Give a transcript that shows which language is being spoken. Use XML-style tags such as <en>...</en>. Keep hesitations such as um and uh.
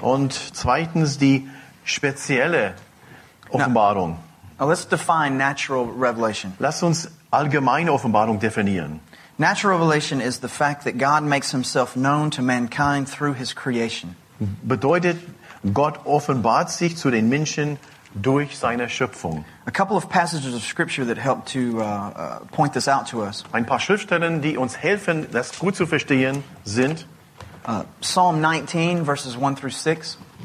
<de>Und zweitens die spezielle Offenbarung.</de> <en>Now, now let's define natural revelation.</en> <de>Lass uns allgemeine Offenbarung definieren.</de> <en>Natural revelation is the fact that God makes himself known to mankind through his creation.</en> <de>Bedeutet, Gott offenbart sich zu den Menschen durch seine Schöpfung. Of of to, uh, ein paar Schriftstellen, die uns helfen, das gut zu verstehen, sind uh, Psalm 19</de> <en>verses 1 through 6.</en>